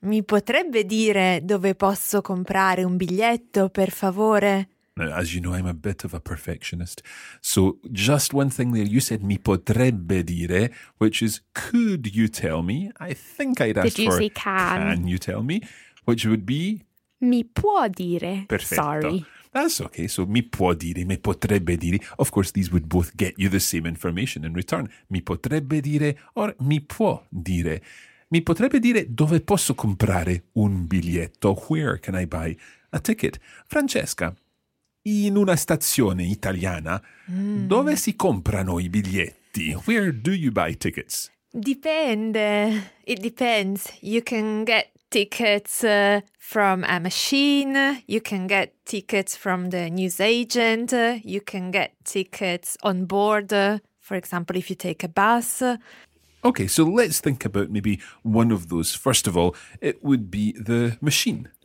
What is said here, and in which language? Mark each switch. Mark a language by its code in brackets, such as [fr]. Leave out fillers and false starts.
[it] Mi potrebbe dire dove posso comprare un biglietto, per favore? [en] Now, as you know, I'm a bit of a perfectionist. So just one thing there. You said [it] mi potrebbe dire, [en] which is could you tell me? I think I'd ask Did you for say can? Can you tell me? Which would be? [it] Mi può dire. Perfetto. [en] Sorry. That's okay. So, [it] mi può dire, mi potrebbe dire. [en] Of course, these would both get you the same information in return. [it] Mi potrebbe dire or mi può dire. Mi potrebbe dire dove posso comprare un biglietto. [en] Where can I buy a ticket? [it] Francesca, in una stazione italiana, dove si comprano i biglietti? [en] Where do you buy tickets? [it] Dipende. [en] It depends. You can get tickets from a machine, you can get tickets from the newsagent, you can get tickets on board, for example, if you take a bus. Okay, so let's think about maybe one of those. First of all, it would be the machine.